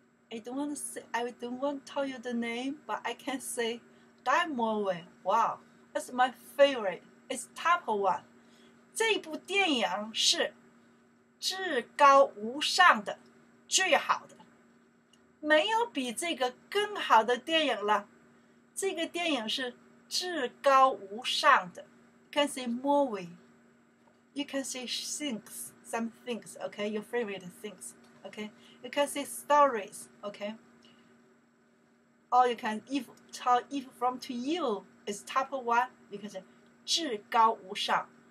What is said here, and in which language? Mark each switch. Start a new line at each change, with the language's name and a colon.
English: I don't want to tell you the name, but I can say that movie. Wow, that's my favorite. It's top one.
Chinese: 这部电影是至高无上的，最好的，没有比这个更好的电影了。这个电影是至高无上的。
English: Can say movie, you can say things, some things, okay, your favorite things, okay. You can say stories, okay. Or you can if tell if from to you is top one, you can say
Chinese: 至高无上.